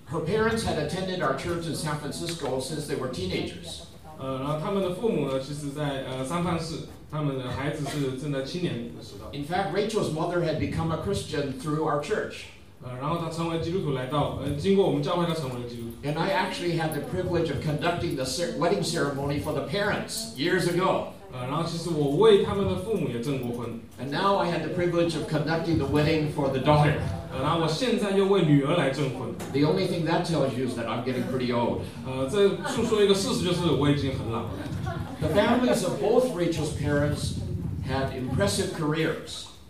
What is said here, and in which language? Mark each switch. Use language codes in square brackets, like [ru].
[en] Her parents had attended our church in San Francisco since they were teenagers [zh] 然后他们的父母呢，其实在三藩市，他们的孩子是正在青年的时候。 [en] In fact, Rachel's mother had become a Christian through our church. [zh] 然后她成为基督徒来到，经过我们教会她成为基督徒。 [en] And I actually had the privilege of conducting the wedding ceremony for the parents years ago. [zh] 然后其实我为他们的父母也证过婚。 [en] And now I had the privilege of conducting the wedding for the daughter. [zh] 然后我现在又为女儿来证婚。 [en] The only thing that tells you is that I'm getting pretty old. [zh] 这诉说一个事实就是我已经很老了。 [en] The families of both Rachel's parents had impressive careers.